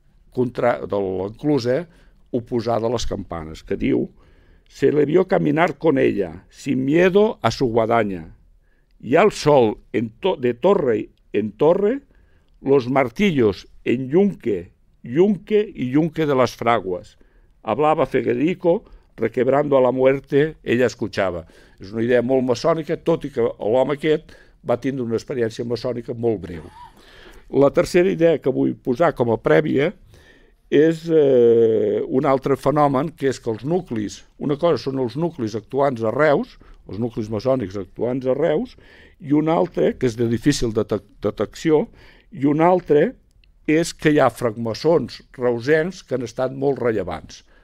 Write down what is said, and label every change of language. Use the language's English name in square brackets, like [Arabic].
[Catalan] de l'enclusa, oposada a les campanes, que diu, [Spanish] se le vio caminar con ella, sin miedo a su guadaña, y al sol de torre en torre, los martillos en yunque, yunque y yunque de las fraguas. Hablaba Federico, requebrando a la muerte, ella escuchaba. [Catalan] És una idea molt maçònica, tot i que l'home aquest va tindre una experiència maçònica molt breu. La tercera idea que vull posar com a prèvia és un altre fenomen, que és que els nuclis, una cosa són els nuclis actuants a Reus, els nuclis maçònics actuants a Reus, i una altra, que és de difícil detecció, i una altra és que hi ha francmaçons reusens que han estat molt rellevants.